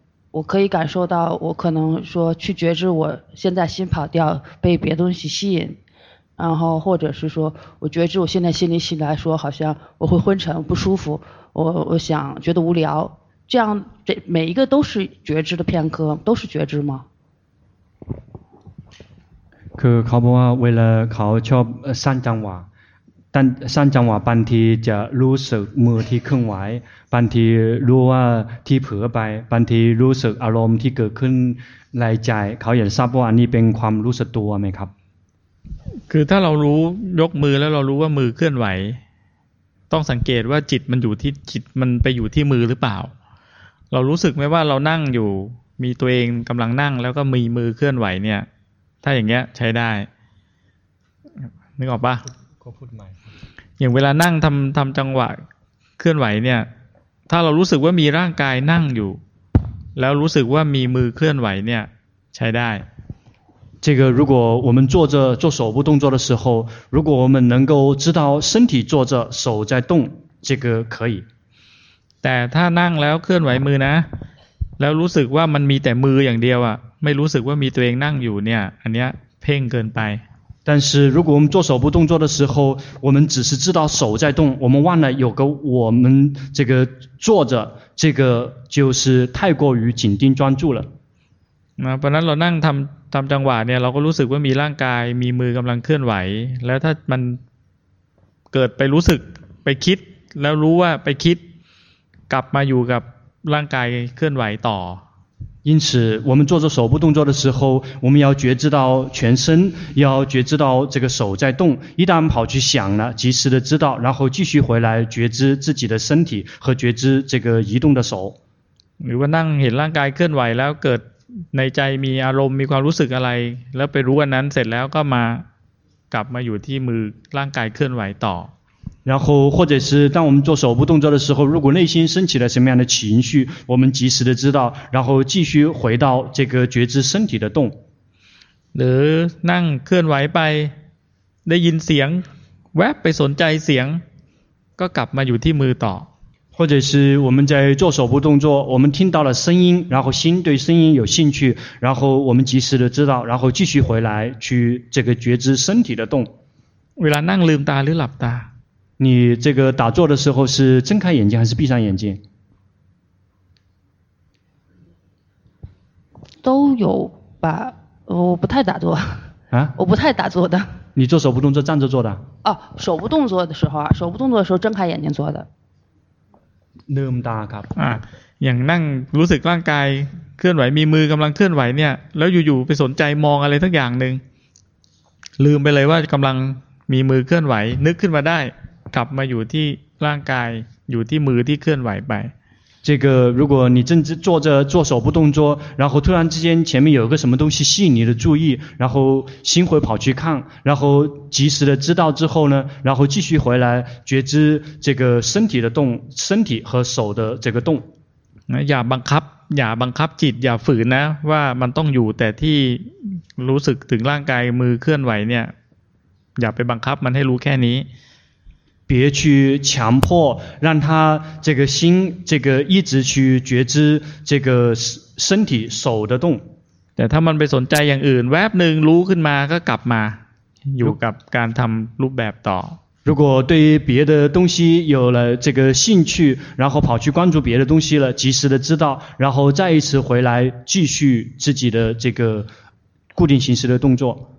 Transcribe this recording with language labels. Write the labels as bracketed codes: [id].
[zh] 我可以感受到我可能说去觉知我现在心跑掉被别东西吸引然后或者是说我觉知我现在心里醒来说好像我会昏沉不舒服我想觉得无聊这样这每一个都是觉知的片刻都是觉知吗 [th] คือเขาบอกว่าเวลาเขาชอบสร้างจังหวะตั้งสร้างจังหวะบางทีจะรู้สึกมือที่เคลื่อนไหวบางทีรู้ว่าที่เผลอไปบางทีรู้สึกอารมณ์ที่เกิดขึ้นในใจเขาอยากทราบว่าอันนี้เป็นความรู้สึกตัวไหมครับ คือถ้าเรารู้ยกมือแล้วเรารู้ว่ามือเคลื่อนไหวต้องสังเกตว่าจิตมันอยู่ที่จิตมันไปอยู่ที่มือหรือเปล่าเรารู้สึกไหมว่าเรานั่งอยู่มีตัวเองกำลังนั่งแล้วก็มีมือเคลื่อนไหวเนี่ยถ้าอย่างเงี้ยใช้ได้นึกออกปะ ก็พูดใหม่อ ย่างเวลานั่งทำจังหวะเคลื่อนไหวเนี่ยถ้าเรารู้สึกว่ามีร่างกายนั่งอยู่แล้วรู้สึกว่ามีมือเคลื่อนไหวเนี่ยใช้ได้ [zh] 这个如果我们坐着做手部动作的时候如果我们能够知道身体坐着手在动这个可以 [th] แต่ถ้านั่งแล้วเคลื่อนไหวมือนะแล้วรู้สึกว่ามันมีแต่มืออย่างเดียวอ่ะไม่รู้สึกว่ามีตัวเองนั่งอยู่เนี่ยอันเนี้ยเพ่งเกินไป [zh] 但是如果我们做手部动作的时候我们只是知道手在动我们忘了有个我们这个坐着这个就是太过于紧盯专注了 [th] 本来เรานั่งทำจังหวะเนี่ยเราก็รู้สึกว่ามีร่างกายมีมือกำลังเคลื่อนไหวแล้วถ้ามันเกิดไปรู้สึกไปคิดแล้วรู้ว่าไปคิดกลับมาอยู่กับร่างกายเคลื่อนไหวต่อ [zh] 因此我们做着手部动作的时候我们要觉知到全身要觉知到这个手在动一旦跑去想了及时的知道然后继续回来觉知自己的身体和觉知这个移动的手 [th] หรือว่านั่งเห็นร่างกายเคลื่อนไหวแล้วเกิดในใจมีอารมณ์มีความรู้สึกอะไรแล้วไปรู้ว่านั้นเสร็จแล้วก็มากลับมาอยู่ที่มือร่างกายเคลื่อนไหวต่อ [zh] 然后或者是当我们做手部动作的时候如果内心升起了什么样的情绪我们及时的知道然后继续回到这个觉知身体的动 [th] หรือนั่งเคลื่อนไหวไปได้ยินเสียงแวบไปสนใจเสียงก็กลับมาอยู่ที่มือต่อ [zh] 或者是我们在做手部动作我们听到了声音然后心对声音有兴趣然后我们及时的知道然后继续回来去这个觉知身体的动 [th] เวลานั่งลืมตาหรือหลับตา [zh] 你这个打坐的时候是睁开眼睛还是闭上眼睛都有吧我不太打坐啊我不太打坐的你做手部动作站着做的哦手部动作的时候啊手部动作的时候睁开眼睛做的 [th] ลืมตาครับ อย่างนั่งรู้สึกร่างกายเคลื่อนไหวมีมือกำลังเคลื่อนไหวเนี่ยแล้วอยู่ๆไปสนใจมองอะไรทั้งอย่างหนึ่งลืมไปเลยว่ากำลังมีมือเคลื่อนไหวนึกขึ้นมาได้กลับมาอยู่ที่ร่างกายอยู่ที่มือที่เคลื่อนไหวไป [zh] 这个如果你正坐着做手部动作然后突然之间前面有个什么东西吸引你的注意然后心会跑去看然后及时的知道之后呢然后继续回来觉知这个身体的动身体和手的这个动 [th] อย่าบังคับอย่าบังคับจิตอย่าฝืนนะว่ามันต้องอยู่แต่ที่รู้สึกถึงร่างกายมือเคลื่อนไหวเนี่ยอย่าไปบังคับมันให้รู้แค่นี้ [zh] 别去强迫让他这个心这个一直去觉知这个身体手的动 [th] แต่ถ้ามันไปสนใจอย่างอื่นแวบหนึ่งรู้ขึ้นมาก็กลับมาอยู่กับการทำรูปแบบต่อ [zh] 如果对于别的东西有了这个兴趣然后跑去关注别的东西了及时的知道然后再一次回来继续自己的这个固定形式的动作